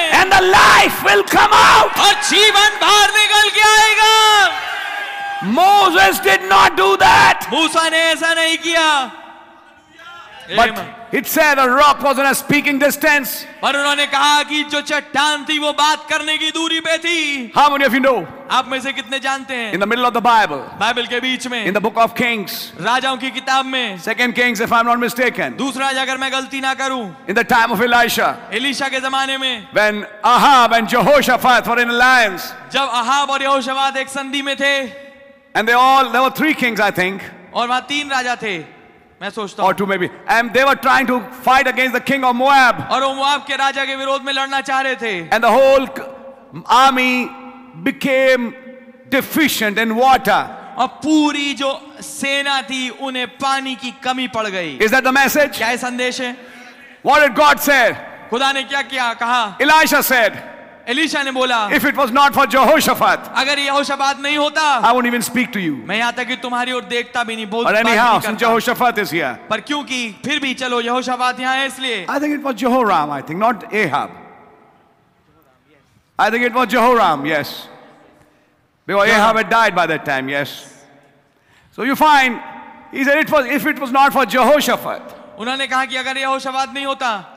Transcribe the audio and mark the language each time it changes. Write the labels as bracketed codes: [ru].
[en] And the life will come out. [hi] और जीवन बाहर निकल के आएगा. [en] Moses did not do that. [hi] मूसा ने ऐसा नहीं किया. [en] But it said a rock was in a speaking distance. [hi] पर उन्होंने कहा कि जो चट्टान थी वो बात करने की दूरी पे थी. [en] How many of you know? [hi] आप में से कितने जानते हैं? [en] In the middle of the Bible. [hi] Bible के बीच में. [en] In the book of Kings. [hi] राजाओं की किताब में. [en] Second Kings, if I'm not mistaken. [hi] दूसरा राजा अगर मैं गलती ना करूं. [en] In the time of Elisha. [hi] Elisha के जमाने में. [en] When Ahab and Jehoshaphat were in alliance. [hi] जब अहाब और यहोशाफात एक संधि में थे. [en] And there were three kings, I think. [hi] और वहां तीन राजा थे. [en] Or two maybe. And they were trying to fight against the king of Moab. [hi] और वो मोआब के राजा के विरोध में लड़ना चाह रहे थे. [en] And the whole army became deficient in water. [hi] और पूरी जो सेना थी उन्हें पानी की कमी पड़ गई. [en] Is that the message? [hi] क्या है संदेश है? [en] What did God say? [hi] खुदा ने क्या किया कहा? [en] Elisha said. [hi] एलिशा ने बोला. [en] If it was not for Jehoshaphat. [hi] अगर यहोशाफात नहीं होता. [en] I won't even speak to you. [hi] मैं यहाँ तक तुम्हारी ओर देखता भी नहीं. [en] But anyhow, since Jehoshaphat is here. [hi] पर क्योंकि फिर भी चलो यहोशाफात यहाँ है इसलिए. [en] I think it was Jehoram, I think, not Ahab. I think it was Jehoram, yes. Because Ahab had died by that time, yes. So you find, he said, if it was not for Jehoshaphat. [hi] उन्होंने कहा कि अगर यह होशवाद नहीं होता.